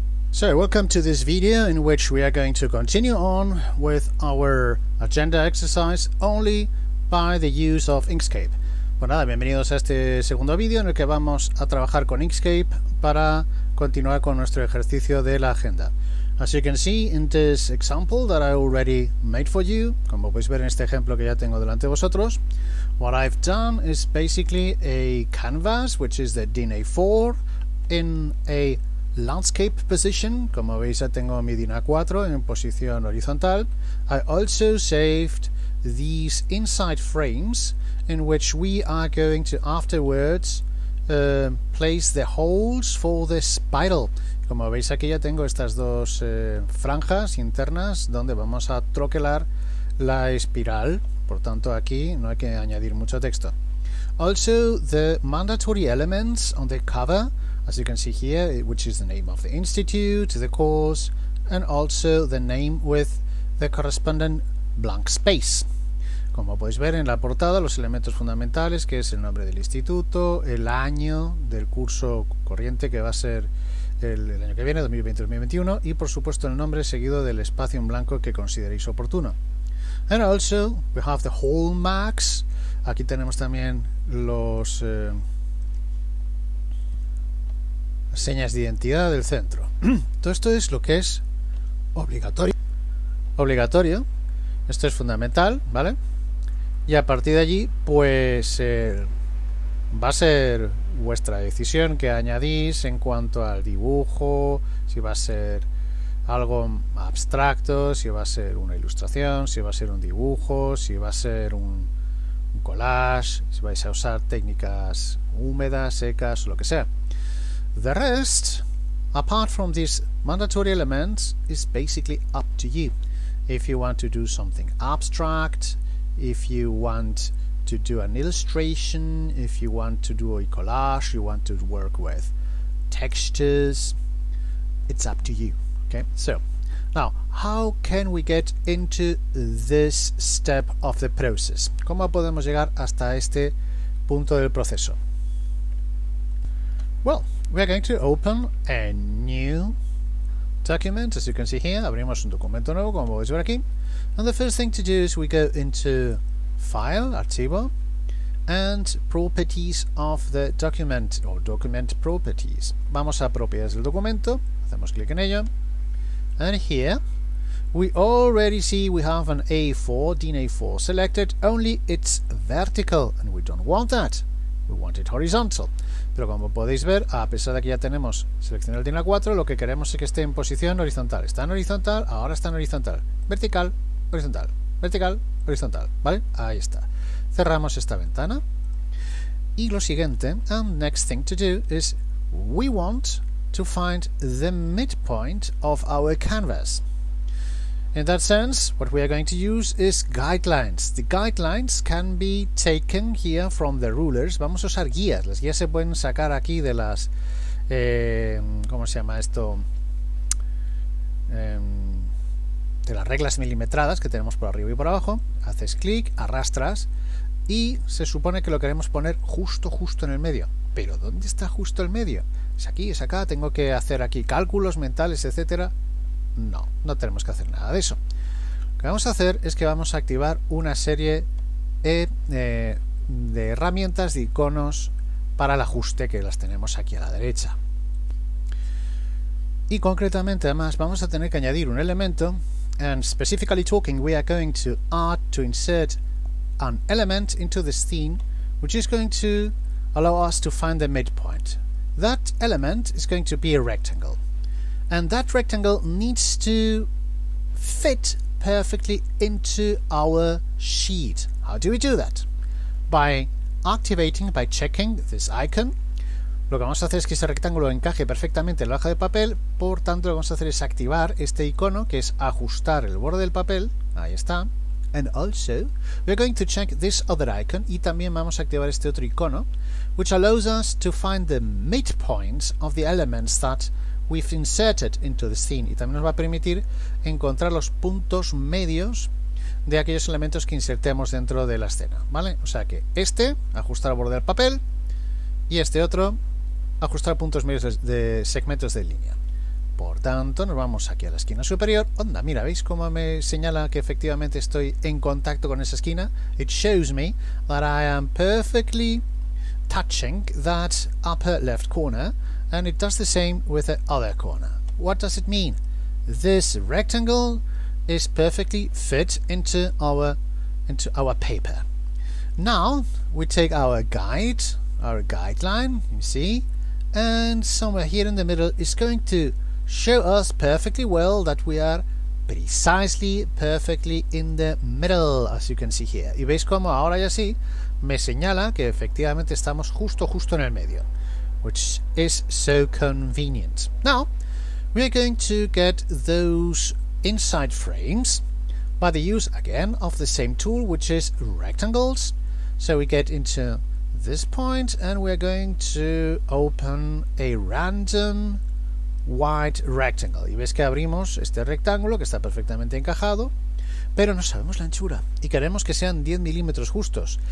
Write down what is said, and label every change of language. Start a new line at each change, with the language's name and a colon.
English: So welcome to this video in which we are going to continue on with our agenda exercise only by the use of Inkscape.
Spanish: Pues nada, bienvenidos a este segundo video en el que vamos a trabajar con Inkscape para continuar con nuestro ejercicio de la agenda.
English: As you can see in this example that I already made for you,
Spanish: como podéis ver en este ejemplo que ya tengo delante de vosotros,
English: what I've done is basically a canvas, which is the DIN A4, in a landscape position.
Spanish: Como veis, ya tengo mi DIN A4 en posición horizontal.
English: I also saved these inside frames in which we are going to afterwards place the holes for the spiral.
Spanish: Como veis, aquí ya tengo estas dos franjas internas donde vamos a troquelar la espiral. Por tanto, aquí no hay que añadir mucho texto.
English: Also, the mandatory elements on the cover, as you can see here, which is the name of the institute, the course, and also the name with the corresponding blank space.
Spanish: Como podéis ver en la portada, los elementos fundamentales, que es el nombre del instituto, el año del curso corriente, que va a ser el año que viene, 2020-2021, y por supuesto el nombre seguido del espacio en blanco que consideréis oportuno.
English: And also, we have the hallmarks.
Spanish: Aquí tenemos también los señas de identidad del centro. Todo esto es lo que es obligatorio. Obligatorio. Esto es fundamental, ¿vale? Y a partir de allí, pues va a ser vuestra decisión que añadís en cuanto al dibujo, si va a ser algo abstracto, si va a ser una ilustración, si va a ser un dibujo, si va a ser un collage, si vais a usar técnicas húmedas, secas, lo que sea.
English: The rest, apart from these mandatory elements, is basically up to you. If you want to do something abstract, if you want to do an illustration, if you want to do a collage, you want to work with textures, it's up to you. Okay, so now, how can we get into this step of the process?
Spanish: ¿Cómo podemos llegar hasta este punto del proceso?
English: Well, we are going to open a new document, as you can see here.
Spanish: Abrimos un documento nuevo, como podéis ver aquí.
English: And the first thing to do is we go into File, Archivo, and Properties of the Document, or Document Properties.
Spanish: Vamos a Propiedades del Documento, hacemos clic en ello.
English: And here, we already see we have an A4, DIN A4 selected, only it's vertical, and we don't want that. We want it horizontal.
Spanish: Pero como podéis ver, a pesar de que ya tenemos seleccionado el DIN A4, lo que queremos es que esté en posición horizontal. Está en horizontal, ahora está en horizontal. Vertical, horizontal. Vertical, horizontal. ¿Vale? Ahí está. Cerramos esta ventana. Y lo siguiente,
English: and next thing to do, is we want to find the midpoint of our canvas. In that sense, what we are going to use is guidelines. The guidelines can be taken here from the rulers.
Spanish: Vamos a usar guías. Las guías se pueden sacar aquí de las... ¿cómo se llama esto? De las reglas milimetradas que tenemos por arriba y por abajo. Haces clic, arrastras, y se supone que lo queremos poner justo, justo en el medio. ¿Pero dónde está justo el medio? ¿Es aquí? ¿Es acá? ¿Tengo que hacer aquí cálculos mentales, etcétera? No, no tenemos que hacer nada de eso. Lo que vamos a hacer es que vamos a activar una serie de herramientas, de iconos para el ajuste, que las tenemos aquí a la derecha. Y concretamente, además, vamos a tener que añadir un elemento.
English: And specifically talking, we are going to add to insert an element into this theme, which is going to allow us to find the midpoint. That element is going to be a rectangle. And that rectangle needs to fit perfectly into our sheet. How do we do that? By activating, by checking this icon.
Spanish: Lo que vamos a hacer es que ese rectángulo encaje perfectamente en la hoja de papel. Por tanto, lo que vamos a hacer es activar este icono, que es ajustar el borde del papel. Ahí está.
English: And also, we're going to check this other icon.
Spanish: Y también vamos a activar este otro icono,
English: which allows us to find the midpoints of the elements that we've inserted into the scene.
Spanish: Y también nos va a permitir encontrar los puntos medios de aquellos elementos que insertemos dentro de la escena. ¿Vale? O sea que este, ajustar el borde del papel, y este otro, ajustar puntos medios de segmentos de línea. Por tanto, nos vamos aquí a la esquina superior. Onda, mira, ¿veis cómo me señala que efectivamente estoy en contacto con esa esquina?
English: It shows me that I am perfectly touching that upper left corner, and it does the same with the other corner. What does it mean? This rectangle is perfectly fit into our paper. Now, we take our guideline, you see, and somewhere here in the middle is going to show us perfectly well that we are precisely, perfectly in the middle, as you can see here.
Spanish: Y veis como ahora ya sí me señala que efectivamente estamos justo en el medio,
English: which is so convenient. Now, we are going to get those inside frames by the use, again, of the same tool, which is rectangles. So we get into this point, and we're going to open a random white rectangle.
Spanish: Y ves que abrimos este rectángulo, que está perfectamente encajado, pero no sabemos la anchura, y queremos que sean 10 milímetros justos.